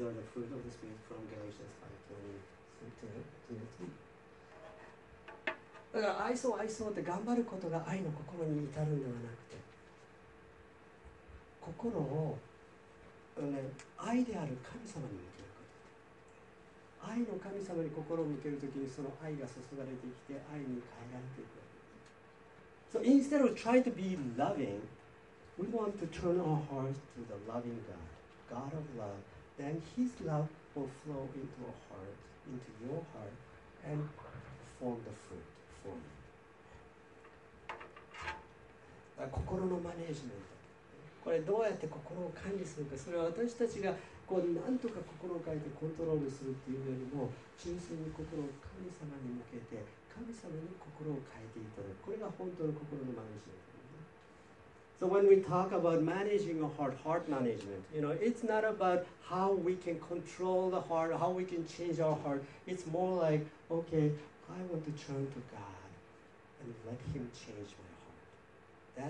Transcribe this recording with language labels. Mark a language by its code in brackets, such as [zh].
[en] All these are the fruit of the Spirit from Galatians 5:20. [ja] だから愛そう愛そうって頑張ることが愛の心に至るんではなくて、心を愛である神様に向けること、愛の神様に心を向けるときにその愛が注がれてきて愛に変えられていく。 [en] So instead of trying to be loving, we want to turn our hearts to the loving God, God of love, then His love will flow into our heart, into your heart, and form the fruit. [ja] 心のマネージメント、これどうやって心を管理するか、それは私たちがこう何とか心を変えてコントロールするっていうよりも、純粋に心を神様に向けて、神様に心を変えていただく、これが本当の心のマネージメント。 [en] So when we talk about managing a heart, heart management, you know, it's not about how we can control the heart, how we can change our heart. It's more like, okayI want to turn to God and let Him change my heart.